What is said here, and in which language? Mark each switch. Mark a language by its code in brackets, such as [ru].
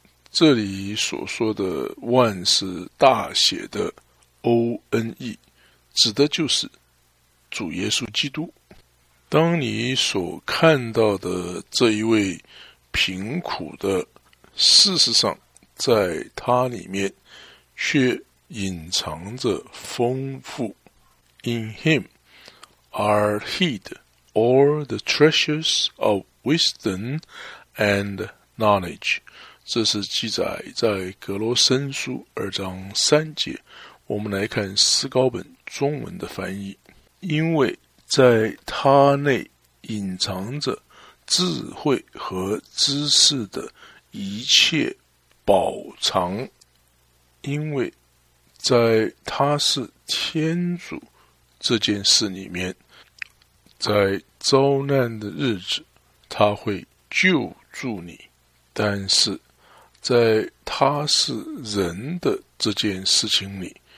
[zh] 这里所说的 one 是大写的 O-N-E， 指的就是主耶稣基督。当你所看到的这一位贫苦的事实上在它里面却隐藏着丰富。 [en] In him are hid all the treasures of wisdom and knowledge. [zh] 这是记载在格罗森书二章三节。我们来看思高本中文的翻译。因为在他内隐藏着智慧和知识的一切宝藏，因为在他是天主这件事里面，在遭难的日子他会救助你，但是在他是人的这件事情里，